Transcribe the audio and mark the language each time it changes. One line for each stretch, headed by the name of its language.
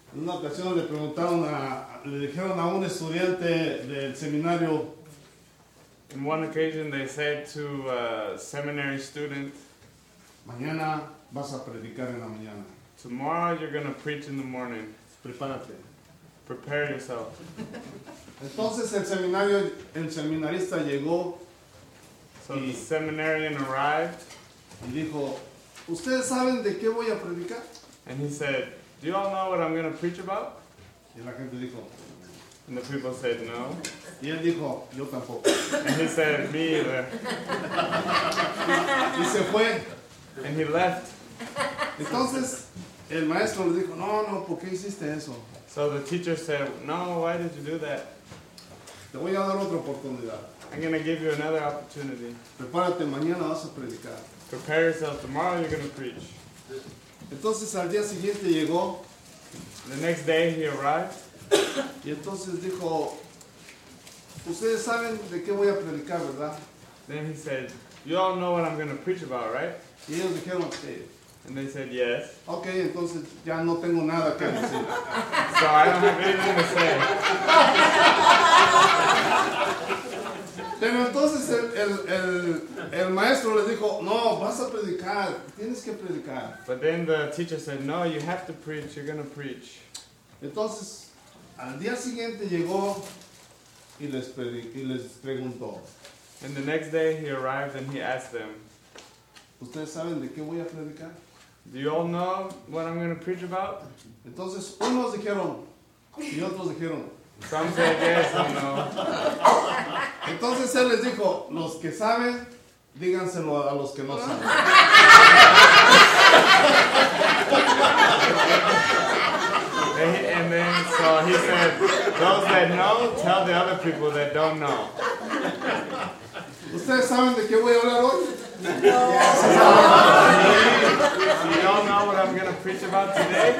Spanish: una ocasión le preguntaron a, le dijeron a un estudiante del seminario.
English: In one occasion they said to a seminary student,
Spanish: mañana vas a predicar en la mañana.
English: Tomorrow you're going to preach in the morning.
Spanish: Prepárate.
English: Prepare yourself.
Spanish: Entonces el seminario, el seminarista llegó.
English: So the seminarian arrived.
Spanish: Y dijo, ¿ustedes saben de qué voy a predicar?
English: And he said, do you all know what I'm going to preach about?
Spanish: Y la gente dijo,
English: and the people said, no.
Spanish: Y él dijo, yo tampoco.
English: And he said, me either.
Spanish: Y se fue.
English: And he left.
Spanish: Entonces, el maestro le dijo, no, no, ¿por qué hiciste eso?
English: So the teacher said, no, why did you do that?
Spanish: Te voy a dar otra oportunidad.
English: I'm going to give you another opportunity.
Spanish: Prepárate, mañana vas a predicar.
English: Prepare yourself, tomorrow you're going to preach.
Spanish: Entonces, al día siguiente llegó.
English: The next day he arrived.
Spanish: Y entonces dijo, ustedes saben de qué voy a predicar, ¿verdad?
English: Then he said, you all know what I'm going to preach about, right?
Spanish: Y ellos dijeron, sí.
English: And they said, yes.
Spanish: Okay, entonces ya no tengo nada que decir.
English: So I don't have anything to say.
Spanish: Pero entonces el maestro les dijo, no, vas a predicar, tienes que predicar.
English: But then the teacher said, no, you have to preach, you're going to preach.
Spanish: Entonces, al día siguiente llegó y les preguntó.
English: And the next day he arrived and he asked them,
Spanish: ¿ustedes saben de qué voy a predicar?
English: Do you all know what I'm going to preach about?
Spanish: Entonces, unos dijeron, y otros dijeron,
English: some said yes, some no.
Spanish: Entonces él les dijo, los que saben, díganselo a los que no saben.
English: So he said, those that know, tell the other people that don't know.
Spanish: ¿Ustedes saben de qué voy a hablar hoy?
English: Do you all know what I'm going to preach about today?